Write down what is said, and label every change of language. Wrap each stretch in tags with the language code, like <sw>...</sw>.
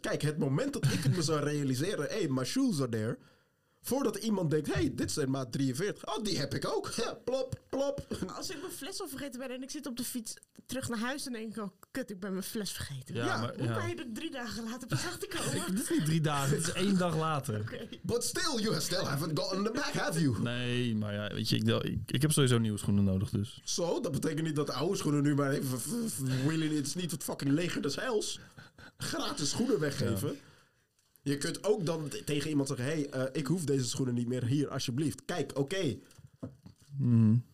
<nl>Kijk, het moment dat ik het me zou realiseren,</nl> <en>hey, my shoes are there.</en> <nl>Voordat iemand denkt, hey, dit zijn maat 43. Oh, die heb ik ook. Ja, plop, plop. Als ik mijn fles al vergeten ben en ik zit op de fiets terug naar huis, en denk ik, oh, kut, ik ben mijn fles vergeten. Ja, ja, maar, hoe ja. kan je het 3 dagen later pas achterkomen? Dit is niet 3 dagen, dit is 1 dag later.</nl> <en>Okay. But still, you still haven't gotten the bag, have you?</en> <nl>Nee, maar ja, weet je, ik heb sowieso nieuwe schoenen nodig, dus. Zo, dat betekent niet dat de oude schoenen nu maar even... het is niet het fucking leger des heils. Gratis schoenen weggeven. Ja. Je kunt ook dan tegen iemand zeggen, hey, ik hoef deze schoenen niet meer, hier, alsjeblieft. Kijk, oké. Okay.</nl>